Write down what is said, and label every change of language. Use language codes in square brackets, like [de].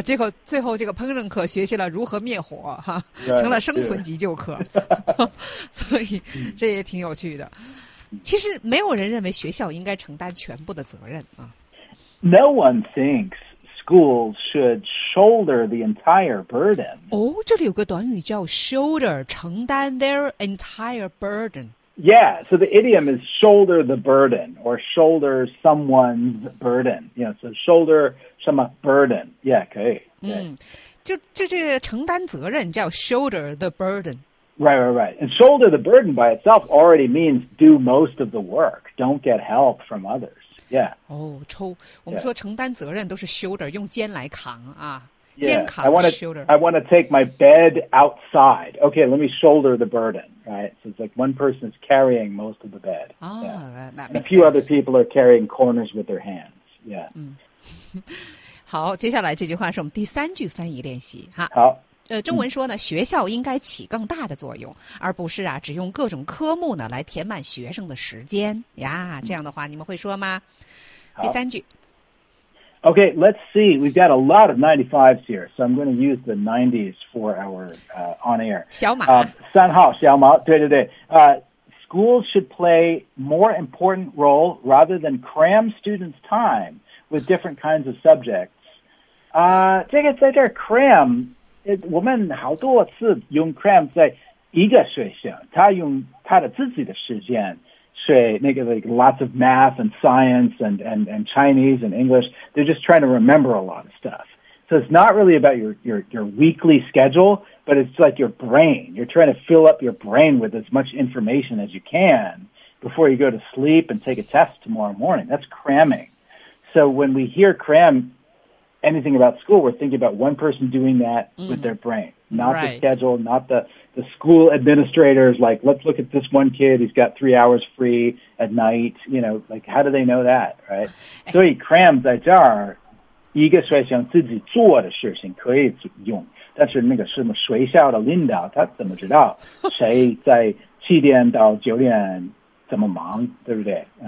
[zh] 结果最后这个烹饪课学习了如何灭火，哈、啊， [en] right, [zh] 成了生存急救课。所以这也挺有趣的。其实没有人认为学校应该承担全部的责任啊。 [en] No one thinks schools should shoulder the entire burden. [zh] 哦，这里有个短语叫 shoulder， 承担 [en] their entire burden。 Yeah, so the idiom is shoulder the burden or shoulder someone's burden. Yeah, so shoulder [zh] 什么 [en] burden. Yeah, [zh] 可以。嗯，就这个承担责任叫 [en] shoulder the burden. Right, right, right. And shoulder the burden by itself already means do most of the work. Don't get help from others. Yeah. 哦，我们说承担责任都是 shoulder， 用肩来扛啊。 Yeah, I want to take my bed outside. Okay, let me shoulder the burden, right? So it's like one person is carrying most of the bed. Oh, yeah. that makes few other people are carrying corners with their hands. Yeah. [zh] 好，接下来这句话是我们第三句翻译练习哈。好。中文说呢，学校应该起更大的作用，而不是啊，只用各种科目呢来填满学生的时间呀。这样的话，你们会说吗？第三句。 [en] Okay, let's see. We've got a lot of 95s here, so I'm going to use the 90s for our、on air. [zh] 小马。三号小马对对对。 [en] Schools should play more important role rather than cram students' time with different kinds of subjects. [zh] 这个在这儿 cram, 我们好多次用 cram 在一个学校他用他的自己的时间 [en] Like lots of math and science and Chinese and English. They're just trying to remember a lot of stuff. So it's not really about your weekly schedule, but it's like your brain. You're trying to fill up your brain with as much information as you can before you go to sleep and take a test tomorrow morning. That's cramming. So when we hear cram anything about school, we're thinking about one person doing that with their brain, not right. the schedule, not the school administrators, like, let's look at this one kid. He's got 3 hours free at night. You know, like, how do they know that, right? [zh] 所以 cram 在这儿一个学校自己做的事情可以用。但是那个什么学校的领导他怎么知道谁在七点到九点怎么忙对不对、